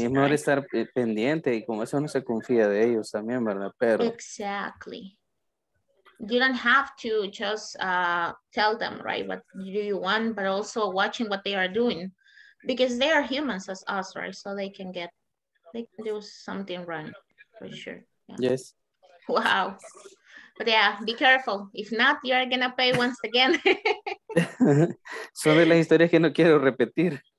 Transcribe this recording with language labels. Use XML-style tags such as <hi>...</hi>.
<es>Sí, es mejor estar pendiente y como eso no se confía de ellos también, ¿verdad? Pero</es> <en>exactly. You don't have to just tell them, right, what do you want, but also watching what they are doing. Because they are humans as us, right? So they can do something wrong, for sure. Yeah. Yes. Wow. But yeah, be careful. If not, you are gonna pay once again.</en> <es>Son de las historias que no quiero repetir.</es>